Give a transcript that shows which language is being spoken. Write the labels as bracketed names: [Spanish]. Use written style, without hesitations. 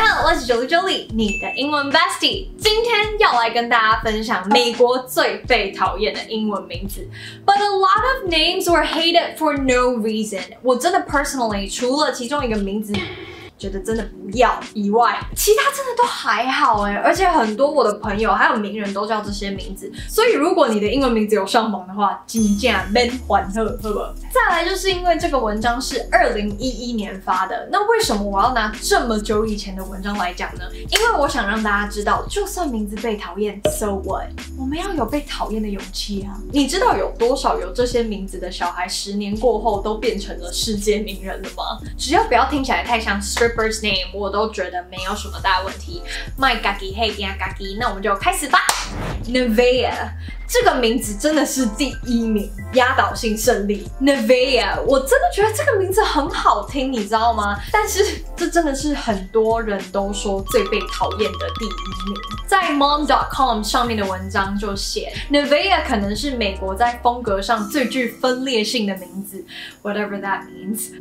[Chinese] 我是 Julie， 你的英文 Bestie， 今天要来跟大家分享美国最被讨厌的英文名字。 [English] But a lot of names were hated for no reason。 [Chinese] 我真的 personally 除了其中一个名字觉得真的不要以外，其他真的都还好哎。而且很多我的朋友还有名人都叫这些名字，所以如果你的英文名字有上榜的话，真正免烦恼，好不？再来就是因为这个文章是2011年发的，那为什么我要拿这么久以前的文章来讲呢？因为我想让大家知道，就算名字被讨厌 ， [English] so what？ [Chinese] 我们要有被讨厌的勇气啊！你知道有多少有这些名字的小孩，十年过后都变成了世界名人了吗？只要不要听起来太像stripper's name， 我都觉得没有什么大问题。 [English] My gaggy， hey， yeah， gaggy， [Chinese] 那我们就开始吧。 Nevaeh 这个名字真的是第一名，压倒性胜利。 Nevaeh， 我真的觉得这个名字很好听，你知道吗？但是这真的是很多人都说最被讨厌的第一名。在 mom.com 上面的文章就写 ，Nevaeh 可能是美国在风格上最具分裂性的名字 ， [English] whatever that means。